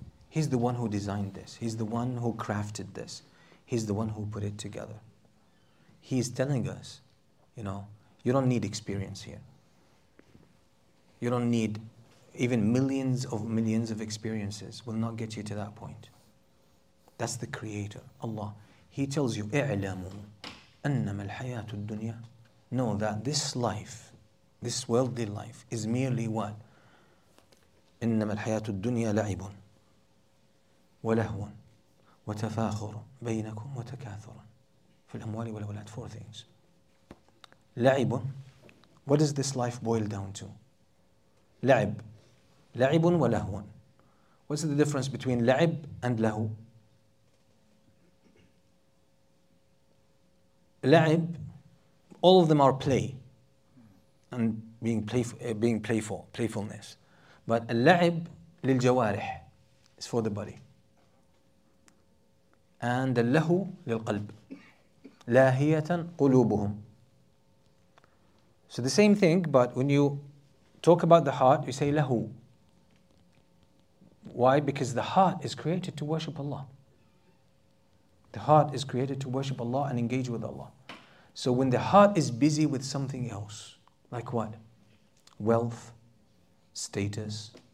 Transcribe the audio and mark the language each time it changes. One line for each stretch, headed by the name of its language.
English: He's the one who designed this. He's the one who crafted this. He's the one who put it together. He's telling us, you know, you don't need experience here. You don't need even millions of experiences will not get you to that point. That's the Creator, Allah. He tells you,
Arabic: اعلموا أنما الحياة الدنيا.
English: Know that this life, this worldly life, is merely what?
Arabic: إنما الحياة الدنيا لعب ولهو وتفاخر بينكم وتكاثر في الأموال والأولاد.
English: Four things. لعب. What does this life boil down to?
Arabic: لعب. لعب ولهو.
English: What's the difference between لعب and لهو? لعب, all of them are play and being playfulness. But
Arabic: اللعب للجوارح
English: is for the body.
Arabic: And اللهو للقلب. لاهية قلوبهم.
English: So the same thing, but when you talk about the heart, you say لهو. Why? Because the heart is created to worship Allah. The heart is created to worship Allah and engage with Allah. So when the heart is busy with something else, like what? Wealth, status,